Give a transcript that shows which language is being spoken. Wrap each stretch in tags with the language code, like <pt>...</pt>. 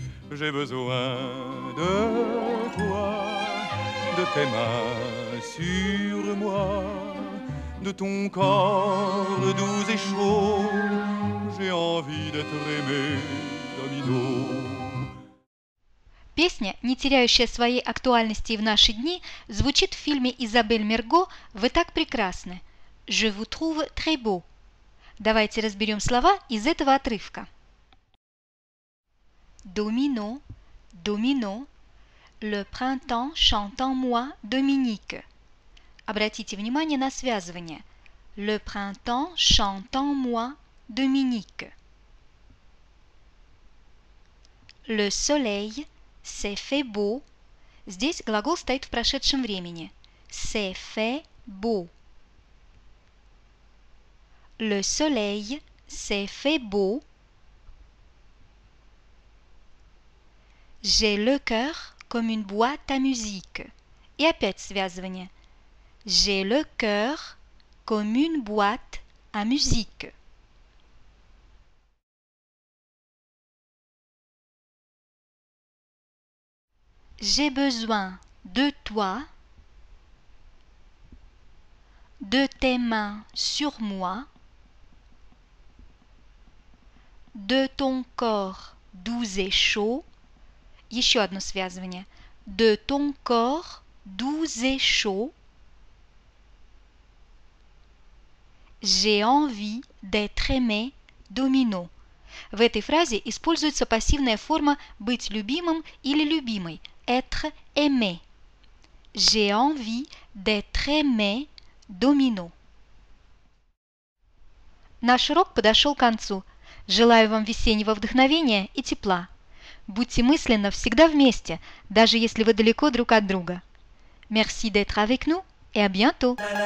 <fr>J'ai besoin de toi, de tes mains sur moi, de ton corps doux et chaud. J'ai envie d'être aimé, domino.</fr> <ru>Песня, не теряющая своей актуальности и в наши дни, звучит в фильме Изабель Мерго «Вы так прекрасны».</ru> <fr>«Je vous trouve très beau».</fr> <ru>Давайте разберем слова из этого отрывка.</ru> <fr>Domino, domino, le printemps chante en moi, Dominique.</fr> <ru>Обратите внимание на связывание.</ru> <fr>Le printemps chante en moi, Dominique. Le soleil. C'est fait beau.</fr> <ru>Здесь глагол стоит в прошедшем времени.</ru> <fr>C'est fait beau. Le soleil, c'est fait beau. J'ai le cœur comme une boîte à musique. Et</fr> <ru>опять связывание.</ru> <fr>J'ai le cœur comme une boîte à musique. J'ai besoin de toi, de tes mains sur moi, de ton corps doux et chaud.</fr> <ru>Еще одно связывание.</ru> <fr>De ton corps doux et chaud. J'ai envie d'être aimé, Domino.</fr> <ru>В этой фразе используется пассивная форма «быть любимым» или «любимой».</ru> <fr>Être aimé. J'ai envie d'être aimé, Domino.</fr> <ru>Наш урок подошел к концу. Желаю вам весеннего вдохновения и тепла. Будьте мысленно всегда вместе, даже если вы далеко друг от друга.</ru> <fr>Merci d'être avec nous et à bientôt!</fr>